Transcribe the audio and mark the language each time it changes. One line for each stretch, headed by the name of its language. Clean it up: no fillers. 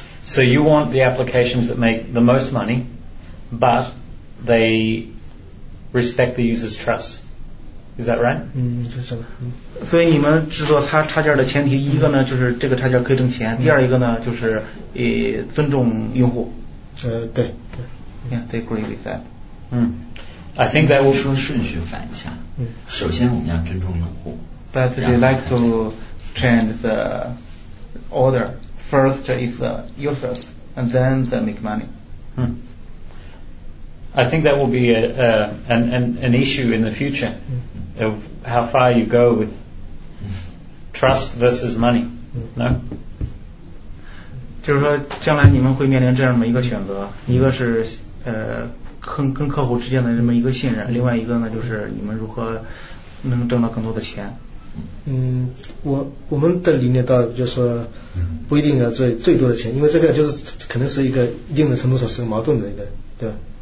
English: So you want the applications that make the most money, but they respect the user's trust. Is that right?
Chinese: 所以你们制作插件的前提，一个呢就是这个插件可以挣钱，第二一个呢就是尊重用户。对。
English: Yeah, they agree with that. I think that will
Chinese: 说顺序反一下。首先我们要尊重用户。
English: But they like to change the order. First is the users, and then they make money. I think that will be an issue in the future of how far you go with trust versus money. No?
Chinese: 就是说将来你们会面临这样的一个选择，一个是跟客户之间的这么一个信任，另外一个呢就是你们如何能挣到更多的钱。我们的理念倒就是说不一定要赚最多的钱，因为这个就是可能是一个一定的程度上是矛盾的一个，对吧？